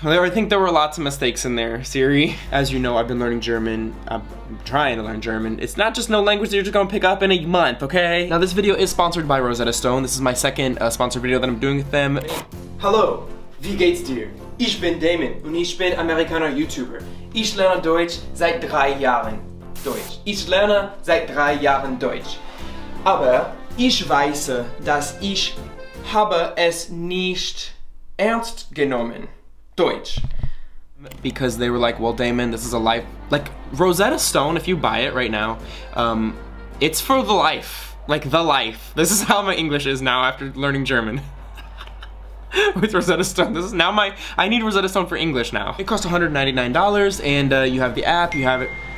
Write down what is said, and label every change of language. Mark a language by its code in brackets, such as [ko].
[en] I think there were lots of mistakes in there, Siri. As you know, I've been learning German. I'm trying to learn German. It's not just no language that you're just gonna pick up in a month, okay? Now, this video is sponsored by Rosetta Stone. This is my second sponsored video that I'm doing with them. [de] Hallo, wie geht's dir? Ich bin Damon und ich bin Amerikaner YouTuber. Ich lerne Deutsch seit 3 Jahren. Deutsch. Ich lerne seit 3 Jahren Deutsch. Aber ich weiß, dass ich habe es nicht ernst genommen, Deutsch. [en] Because they were like, well, Damon, this is a life. Like, Rosetta Stone, if you buy it right now, it's for the life. Like, the life. This is how my English is now after learning German. With Rosetta Stone. This is now my. I need Rosetta Stone for English now. It costs $199, and you have the app, you have it.